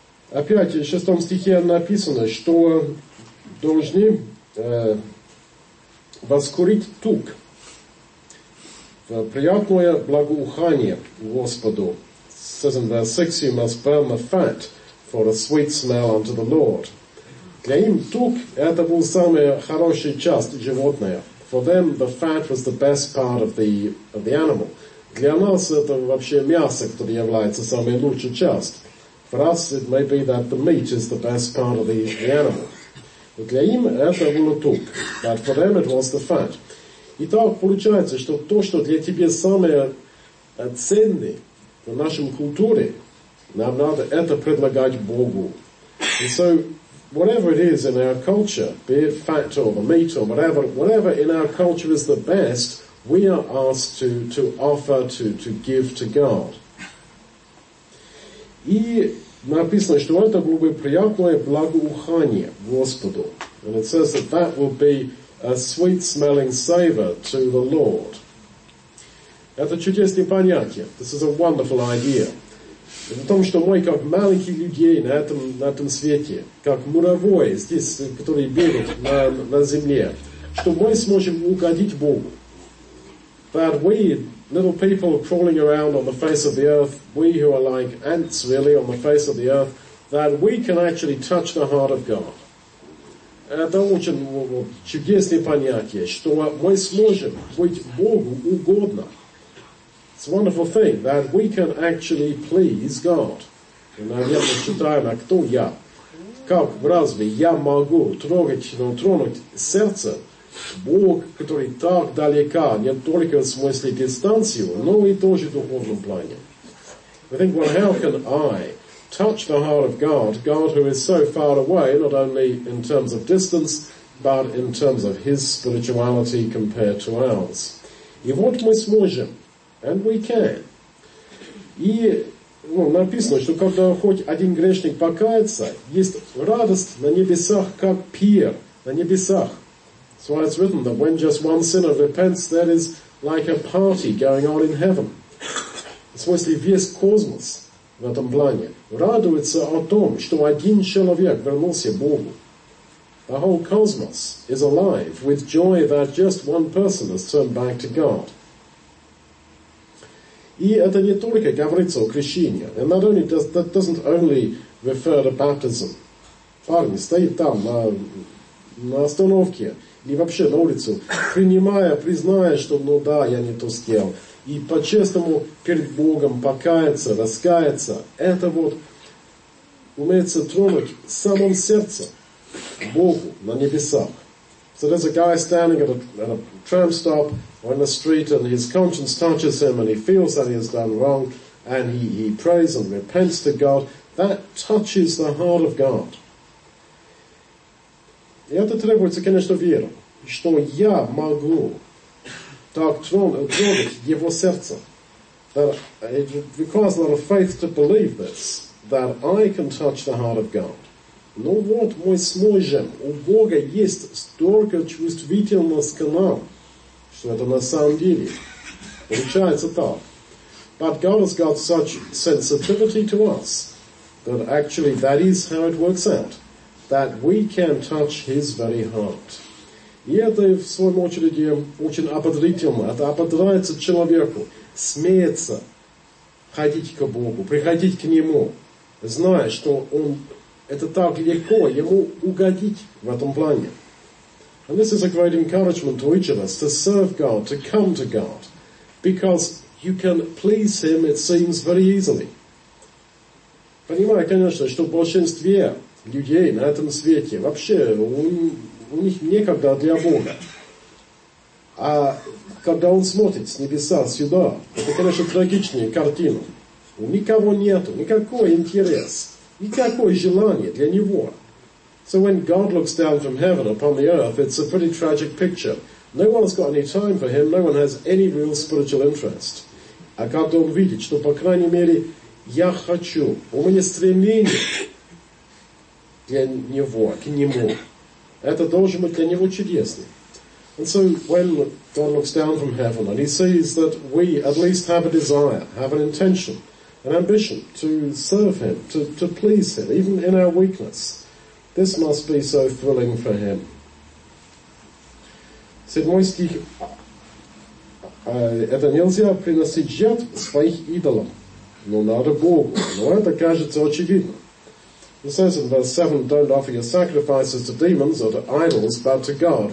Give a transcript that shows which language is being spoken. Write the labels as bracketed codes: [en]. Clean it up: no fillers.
[ru] Опять в шестом стихе написано, что должны воскурить тук в приятное благоухание Господу. [en] It says in verse 6, you must burn the fat for a sweet smell unto the Lord. [ru] Для им тук это был самая хорошая часть животного. [en] For them the fat was the best part of the animal. [ru] Для нас это вообще мясо, которое является самой лучшей частью. [en] For us, it may be that the meat is the best part of the animal. But [ru] для им это было тук, [en] but for them it was the fat. [ru] И так получается, что то, что для тебя самое ценное в нашем культуре, нам надо это предлагать Богу. [en] And so, whatever it is in our culture, be it fat or the meat or whatever, whatever in our culture is the best, we are asked to offer, to give to God. [ru] И написано, что это было бы приятное благоухание Господу. [en] And it says that that will be a sweet-smelling savor to the Lord. [ru] Это чудесное понятие. [en] This is a wonderful idea. [ru] Это в том, что мы как маленькие людей на этом свете, как муравьи здесь, которые бегают на земле, что мы сможем угодить Богу. [en] That we, little people crawling around on the face of the earth, we who are like ants really on the face of the earth, that we can actually touch the heart of God. [ru] Это очень чудесное понятие, что мы сможем быть Богу угодно. [en] It's a wonderful thing that we can actually please God. [ru] И, наверное, читаем, а кто я? Как разве я могу трогать, но тронуть сердце Бога, который так далека, не только в смысле дистанции, но и тоже в духовном плане? [en] I think, well, how can I touch the heart of God, God who is so far away, not only in terms of distance, but in terms of his spirituality compared to ours? [ru] И вот мы сможем. [en] And we can. [ru] И, ну, написано, что когда хоть один грешник покается, есть радость на небесах, как пир на небесах. [en] So it's written that when just one sinner repents, that is like a party going on in heaven. [ru] В смысле, весь космос в этом плане радуется о том, что один человек вернулся Богу. [en] The whole cosmos is alive with joy that just one person has turned back to God. [ru] И это не только говорится о крещении. [en] And not only does, that doesn't only refer to baptism. [ru] Парни стоит там на остановке или вообще на улицу, принимая, признавая, что ну да, я не то сделал. И по-честному перед Богом покаяться, раскаяться. Это вот умеется тронуть в самом сердце Богу на небесах. [en] So there's a guy standing at a tram stop on the street, and his conscience touches him, and he feels that he has done wrong, and he prays and repents to God. That touches the heart of God. [ru] И это требуется, конечно, вера, что я могу так тронуть его сердце. [en] That it requires a lot of faith to believe this, that I can touch the heart of God. [ru] Ну вот, мы сможем. У Бога есть столько чувствительности к нам, что это на самом деле получается так. [en] But God has got such sensitivity to us that actually that is how it works out, that we can touch his very heart. [ru] И это, в своем очереди, очень ободрительно. Это ободряется человеку, смеется ходить к Богу, приходить к Нему, зная, что Он... Это так легко ему угодить в этом плане. [en] And this is a great encouragement to each of us, to serve God, to come to God. Because you can please him, it seems, very easily. [ru] Понимаю, конечно, что в большинстве людей на этом свете вообще у них некогда для Бога. А когда он смотрит с небеса сюда, это, конечно, трагичная картина. У никого нету, никакой интерес. Никакое желание для него. [en] So when God looks down from heaven upon the earth, it's a pretty tragic picture. No one has got any time for him, no one has any real spiritual interest. [ru] А когда он видит, что, по крайней мере, я хочу, у меня стремление для него, к нему. Это должно быть для него чудесным. [en] And so when God looks down from heaven and he sees that we at least have a desire, have an intention, an ambition to serve him, to please him, even in our weakness. This must be so thrilling for him. [ru] Седьмой стих. Это нельзя приносить жертв своих идолам. Но надо Богу. Но это кажется очевидно. [en] It says in verse 7, don't offer your sacrifices to demons or to idols, but to God.